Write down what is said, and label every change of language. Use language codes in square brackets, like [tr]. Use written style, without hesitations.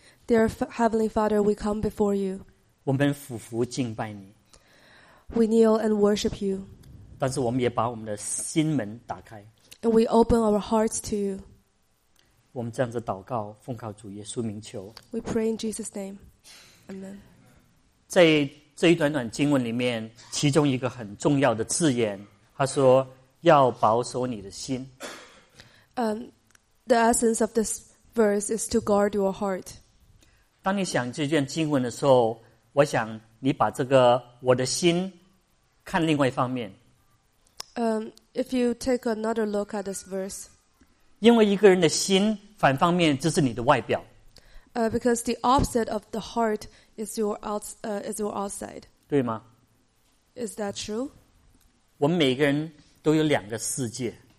[en] Dear Heavenly Father, we come before you. [zh] 我们俯伏敬拜你。 [en] We kneel and worship you. [zh] 但是我们也把我们的心门打开。 [en] And we open our hearts to you. [zh] 我们这样子祷告，奉靠主耶稣名求。 [en] We pray in Jesus' name. Amen. [zh] 在这一短短经文里面，其中一个很重要的字眼，他说要保守你的心。 [en] The essence of this verse is to guard your heart. [zh] 当你想这段经文的时候，我想你把这个我的心看另外一方面。 [en] If you take another look at this verse, [zh] 因为一个人的心反方面就是你的外表。 [en] Because the opposite of the heart is your outside. [zh] 对吗？ [en] Is that true? [zh] 我们每个人都有两个世界。